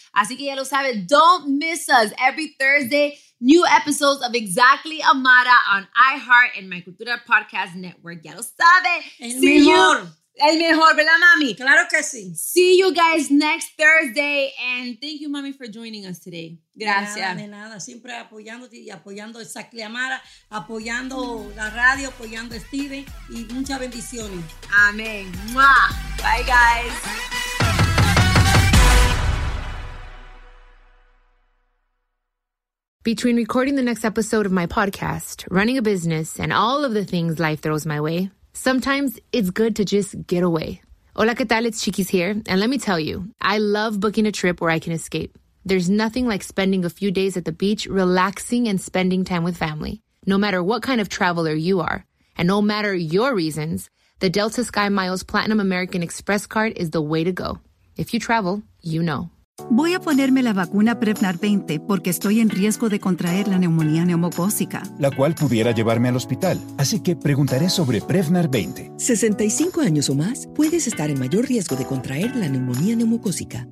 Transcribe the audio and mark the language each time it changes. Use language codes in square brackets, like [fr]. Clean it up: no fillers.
[es] Así que ya lo saben, [en] don't miss us. Every Thursday, new episodes of Exactly Amara on iHeart and My Cultura Podcast Network. [es] Ya lo saben. [en] See you. [es] El mejor, ¿verdad, mami? Claro que sí. [en] See you guys next Thursday. And thank you, mommy, for joining us today. [es] Gracias. De nada, siempre apoyándote y apoyando a Sacliamara, apoyando la radio, apoyando a Steven. Y muchas bendiciones. Amén. ¡Muah! [en] Bye, guys. Between recording the next episode of my podcast, running a business, and all of the things life throws my way, sometimes it's good to just get away. [es] Hola, ¿qué tal? [en] It's Chiquis here. And let me tell you, I love booking a trip where I can escape. There's nothing like spending a few days at the beach, relaxing and spending time with family. No matter what kind of traveler you are, and no matter your reasons, the Delta Sky Miles Platinum American Express card is the way to go. If you travel, you know. [es] Voy a ponerme la vacuna Prevnar 20 porque estoy en riesgo de contraer la neumonía neumocócica, la cual pudiera llevarme al hospital. Así que preguntaré sobre Prevnar 20. 65 años o más, puedes estar en mayor riesgo de contraer la neumonía neumocócica.